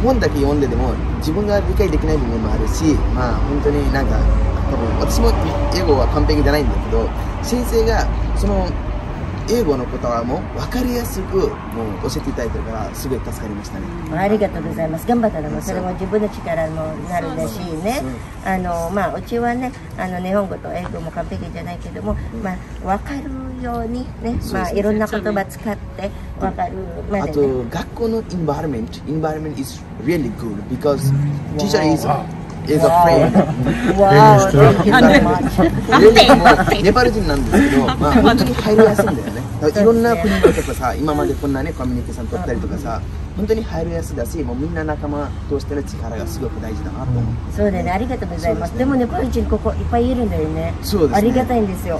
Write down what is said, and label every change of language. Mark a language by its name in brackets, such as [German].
[Japanese] 本だけ読んででも自分が理解できない部分もあるし、まあ本当になんか多分私も英語は完璧じゃないんだけど、先生がその英語の言葉も分かりやすくもう教えていただいてるからすごい助かりましたね。ありがとうございます。頑張ったのもそれも自分の力もなるだしね。あのまあうちはね、あの日本語と英語も完璧じゃないけども、うん、まあ分かるようにね、まあいろんな言葉使って分かるまで、ね、あと学校の [English] environment is really good because teacher is a friend. thank you so much. [Japanese] ネパール人なんですけど、まあ、本当に入りやすいんだよね。だからいろんな国とかさ、今までこんなね、コミュニケーション取ったりとかさ、本当に入りやすいだし、もうみんな仲間としての力がすごく大事だなと思って。そうだね、ありがとうございます。でもネパール人ここいっぱいいるんだよね。そうですね。ありがたいんですよ。